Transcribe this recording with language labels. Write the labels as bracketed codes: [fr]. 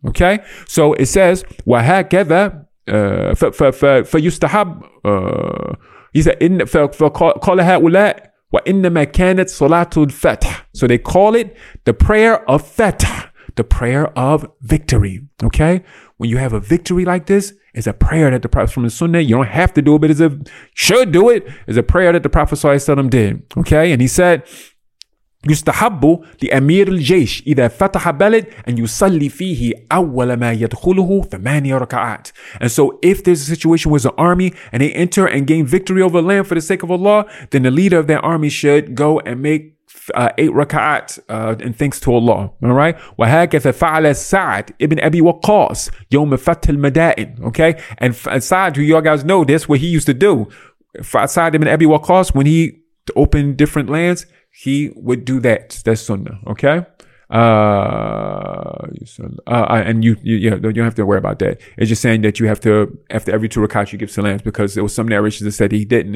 [en] Okay? So it says, [ar] وَهَكَذَا فَيُسْتَحَبْ [en] He said, [ar] إِنَّ فَقَالَهَا أُولَاءِ وَإِنَّمَا كَانَتْ صَلَاتُ الْفَتْحِ. [en] So they call it the prayer of fatah, the prayer of victory. Okay? When you have a victory like this, it's a prayer that the Prophet from the Sunnah, you don't have to do it, but it's a should do it, is a prayer that the Prophet صلى الله عليه وسلم did. Okay? And he said, [ar] يستحب لأمير الجيش إذا فتح بلد أن يصلي فيه أول ما يدخله ثمانية ركعات. [en] And so if there's a situation where it's an army and they enter and gain victory over land for the sake of Allah, then the leader of that army should go and make 8 rakaat and thanks to Allah. All right. [ar] وهكذا فعل سعد ابن أبي وقاص يوم فتح المدائن. [en] Okay. And Sa'd, who y'all guys know, that's what he used to do. Sa'd ibn Abi Waqqas, when he opened different lands, he would do that. That's sunnah. Okay. You don't have to worry about that. It's just saying that you have to, after every 2 rakats, you give salams, because there was some narrations that said he didn't.